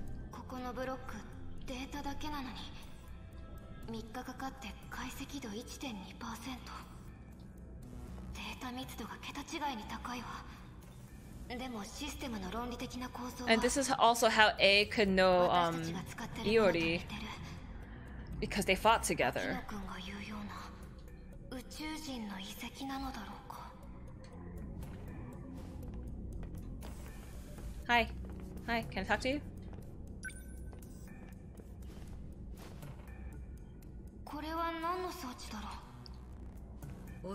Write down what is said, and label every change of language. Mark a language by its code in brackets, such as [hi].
[ja] ここのブロック、データだけなのに3日かかって解析度 1.2%。データ密度が桁違いに高いわ。でもシステムの論理的な構造は、 [en] And this is also how A could know Iori because they fought together. [ja] 木野君が言うような宇宙人の遺跡なのだろうか。 [en] Hi. Hi, can I talk to you? [ja] これは何の装置だろう。